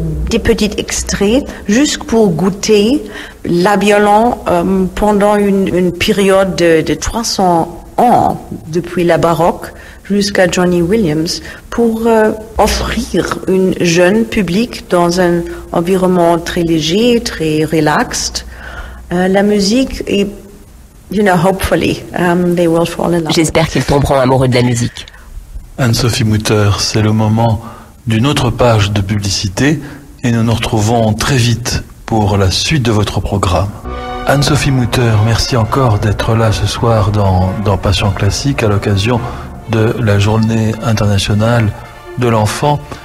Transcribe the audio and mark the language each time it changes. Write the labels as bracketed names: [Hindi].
[French] des petits extraits juste pour goûter la violon pendant une période de 300 ans depuis la baroque jusqu'à Johnny Williams, pour offrir un jeune public dans un environnement très léger, très relaxed. La musique est, [English] you know, hopefully, they will fall in love. [French] J'espère qu'ils tomberont amoureux de la musique. Anne-Sophie Mutter, c'est le moment d'une autre page de publicité et nous nous retrouvons très vite pour la suite de votre programme. Anne-Sophie Mutter, merci encore d'être là ce soir dans Passion Classique à l'occasion de la Journée internationale de l'enfant.